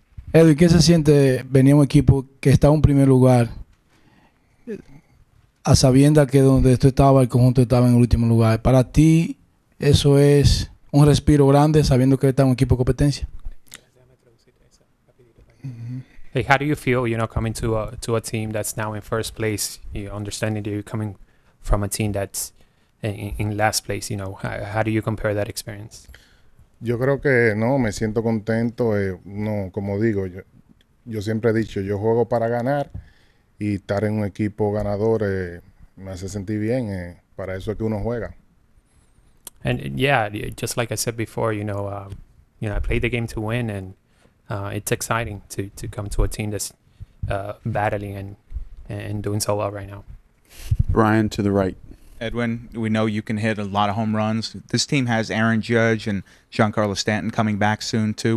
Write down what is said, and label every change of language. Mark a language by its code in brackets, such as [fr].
[es] Edwin, ¿qué se siente venir a un equipo que está en primer lugar a sabiendas que donde tú estaba el conjunto estaba en el último lugar? ¿Para ti eso es un respiro grande sabiendo que está en un equipo de competencia? [en] Hey, how do you feel, you know, coming to a team that's now in first place, you know, understanding that you're coming from a team that's in last place, you know, how do you compare that experience? [es] Yo creo que no, me siento contento. No, como digo, yo siempre he dicho, yo juego para ganar y estar en un equipo ganador me hace sentir bien. Para eso es que uno juega. [en] And yeah, just like I said before, you know, I play the game to win, and it's exciting to come to a team that's battling and doing so well right now. Brian, to the right. Edwin, we know you can hit a lot of home runs. This team has Aaron Judge and Giancarlo Stanton coming back soon, too.